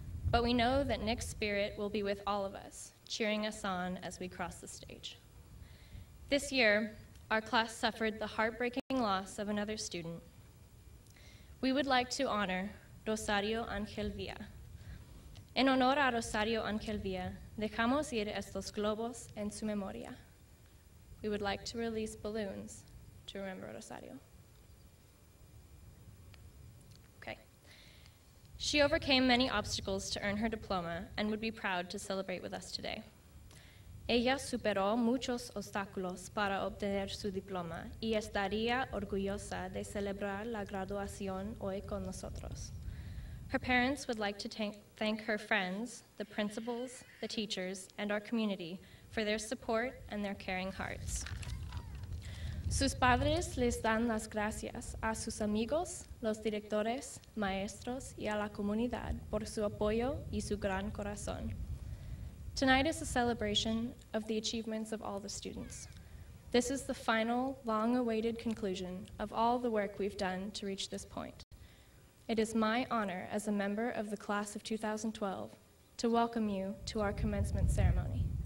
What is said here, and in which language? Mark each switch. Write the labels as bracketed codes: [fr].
[en] But we know that Nick's spirit will be with all of us, cheering us on as we cross the stage. This year, our class suffered the heartbreaking loss of another student. We would like to honor Rosario Angel Villa. [es] En honor a Rosario Angel Villa, dejamos ir estos globos en su memoria. [en] We would like to release balloons to remember Rosario. Okay. She overcame many obstacles to earn her diploma and would be proud to celebrate with us today. [es] Ella superó muchos obstáculos para obtener su diploma y estaría orgullosa de celebrar la graduación hoy con nosotros. [en] Her parents would like to thank her friends, the principals, the teachers, and our community for their support and their caring hearts. [es] Sus padres les dan las gracias a sus amigos, los directores, maestros y a la comunidad por su apoyo y su gran corazón. [en] Tonight is a celebration of the achievements of all the students. This is the final, long-awaited conclusion of all the work we've done to reach this point. It is my honor as a member of the class of 2012 to welcome you to our commencement ceremony.